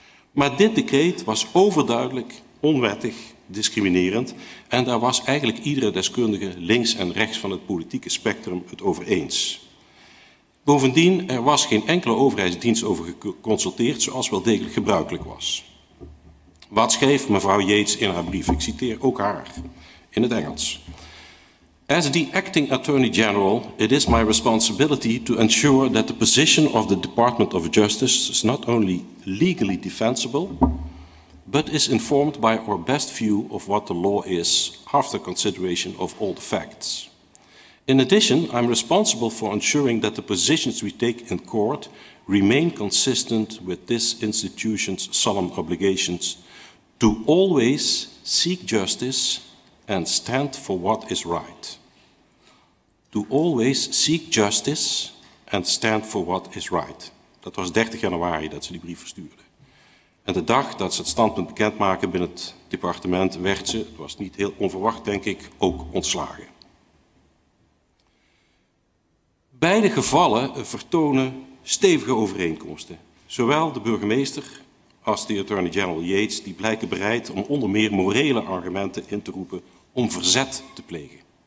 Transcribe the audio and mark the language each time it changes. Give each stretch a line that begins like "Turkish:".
Dutch: Maar dit decreet was overduidelijk onwettig, discriminerend en daar was eigenlijk iedere deskundige links en rechts van het politieke spectrum het over eens. Bovendien, er was geen enkele overheidsdienst over geconsulteerd zoals wel degelijk gebruikelijk was. Wat schreef mevrouw Yates in haar brief? Ik citeer ook haar in het Engels.
English: As the acting attorney general, it is my responsibility to ensure that the position of the Department of Justice is not only legally defensible, but is informed by our best view of what the law is after consideration of all the facts. In addition, I'm responsible for ensuring that the positions we take in court remain consistent with this institution's solemn obligations to always seek justice and stand for what is right. To always seek justice and stand for what is right.
Dutch: Dat was 30 januari dat ze die brief verstuurde. En de dag dat ze het standpunt bekendmaken binnen het departement werd ze, het was niet heel onverwacht denk ik, ook ontslagen. Beide gevallen vertonen stevige overeenkomsten. Zowel de burgemeester als de Attorney General Yates die blijken bereid om onder meer morele argumenten in te roepen om verzet te plegen.